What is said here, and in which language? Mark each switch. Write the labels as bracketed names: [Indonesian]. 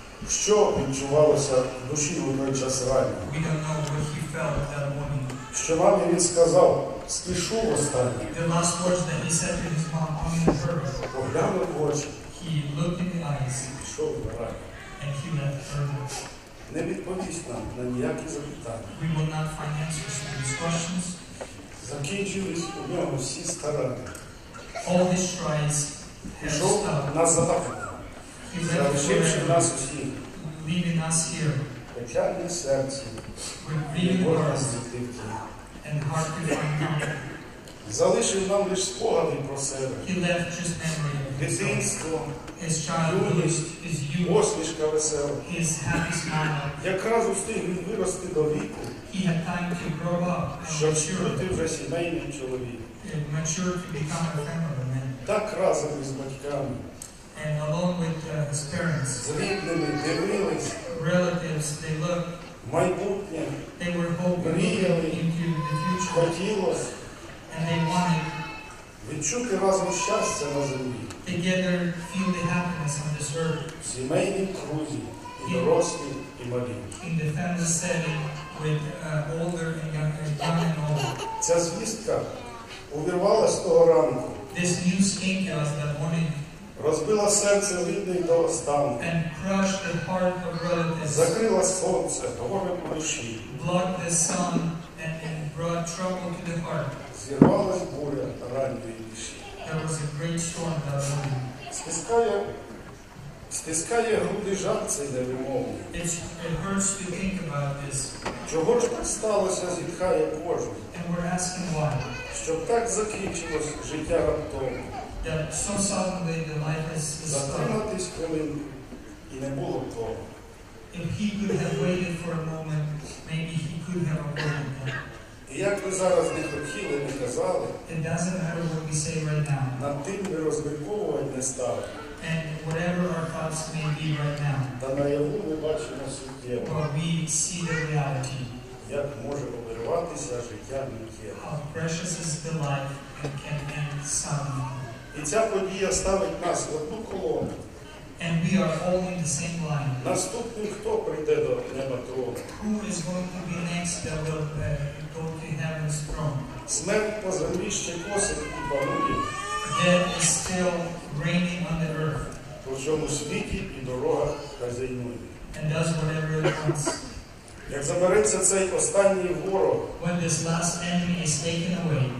[Ukrainian] Що відчувалося в душі у той час ранній? [English] We don't know what he felt at that moment. [Ukrainian] Що мамі він сказав? Спішу останній. [English] The last words that he said to his mom, I'm in a hurry. [Ukrainian] Поглянув в очі. [English] He looked in the eyes. [Ukrainian] Пішов на рай. [English] And he left early. [Ukrainian] Не відповість нам на ніякі запитання. [English] We will not find answers to these questions. [Ukrainian] Закінчились у нього всі старання. [English] All these tries have stopped. [Ukrainian] На запитання. [English] He left forever. [Ukrainian] Залишивши нас усі. [English] Leaving us here. [Ukrainian] Печальне серце. [English] Revealing hearts. And hard to find out. [Ukrainian] Залишив нам лише спогади про себе. [English] He left just memory. [Ukrainian] Дитинство. [English] His childhood. His youth. [Ukrainian] Посмішка весела. [English] His happy smile. [Ukrainian] Якраз встиг він вирости до віку. [English] He had time to grow up. [Ukrainian] Щоб стати вже сімейним чоловіком. [English] Mature to become a family man. [Ukrainian] Так разом із батьками. [English] And along with his parents. [Ukrainian] З рідними дивились. [English] Relatives, they looked. [Ukrainian] Майбутнє. [English] They were hoping. Into the future. [Ukrainian] Хотілось. [English] And they wanted [Ukrainian] відчути разом щастя на землі. [English] Together feel the happiness on this earth. [Ukrainian] Сімейні друзі, і дорослі, і малі. [English] In the family setting with older and younger, young and old. [Ukrainian] Ця звістка увірвалась того ранку. [English] This news came to us that morning. [Ukrainian] Розбила серце рідних до останку. [English] And crushed the heart of relatives. [Ukrainian] Закрила сонце, горе в душі. [English] Blocked the sun and brought trouble to the heart. [Ukrainian] Зірвалась буря ранньої душі. [English] There was a great storm that morning. [Ukrainian] Стискає груди жаль цей невимовний. [English] It hurts to think about this. [Ukrainian] Чого ж так сталося, зітхає кожен. [English] And we're asking why. [Ukrainian] Щоб так закінчилось життя раптово. [English] That so suddenly the life has stopped. [Ukrainian] Затриматись хвилинку і не було того. [English] If he could have waited for a moment, maybe he could have avoided that. [Ukrainian] І як ви зараз не хотіли, не казали, [English] it doesn't matter what we say right now. [Ukrainian] Над тим ви розмірковувати не стали. [English] And whatever our thoughts may be right now. [Ukrainian] Та наяву ми бачимо суттєво. [English] But we see the reality. [Ukrainian] Як може обірватися життя ніке. [English] How precious is the life and can end suddenly. [Ukrainian] І ця подія ставить нас в одну колону. [English] And we are all in the same line. [Ukrainian] Наступний хто прийде до неба трону? [English] Who is going to be next that will go to heaven's throne? [Ukrainian] Смерть по землі ще косить і панує. [English] Death is still reigning on the earth. [Ukrainian] По всьому світі і дорогах хазяйнує. [English] And does whatever it wants. [Ukrainian] Як забереться цей останній ворог, [English] when this last enemy is taken away,